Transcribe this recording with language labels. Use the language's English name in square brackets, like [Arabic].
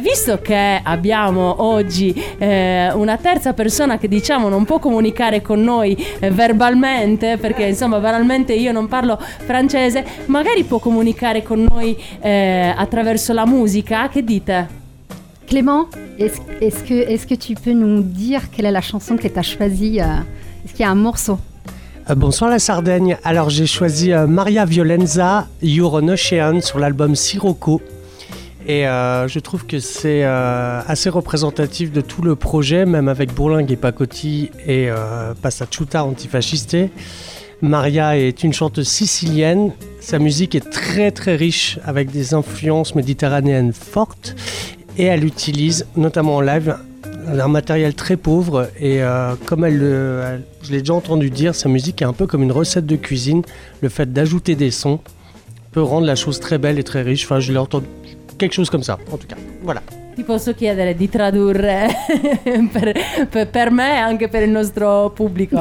[Italian] Visto che abbiamo oggi una terza persona che, diciamo, non può comunicare con noi verbalmente, perché insomma verbalmente io non parlo francese, magari può comunicare con noi attraverso la musica, che dite? [French] Clément, est-ce que tu peux nous dire quelle est la chanson que tu as choisie? Est-ce qu'il y a un morceau? Bonsoir la Sardaigne. Alors j'ai choisi Maria Violenza, You're an Ocean, sur l'album Sirocco. Et je trouve que c'est assez représentatif de tout le projet, même avec Bourlingue et Pacotille et Passacciuta antifasciste. Maria est une chanteuse sicilienne. Sa musique est très très riche, avec des influences méditerranéennes fortes, et elle utilise notamment en live un matériel très pauvre. Et comme je l'ai déjà entendu dire, sa musique est un peu comme une recette de cuisine. Le fait d'ajouter des sons peut rendre la chose très belle et très riche. Enfin, je l'ai entendu quelque chose comme ça. En tout cas, voilà. [Italian] Ti posso chiedere di tradurre per me e anche per il nostro pubblico?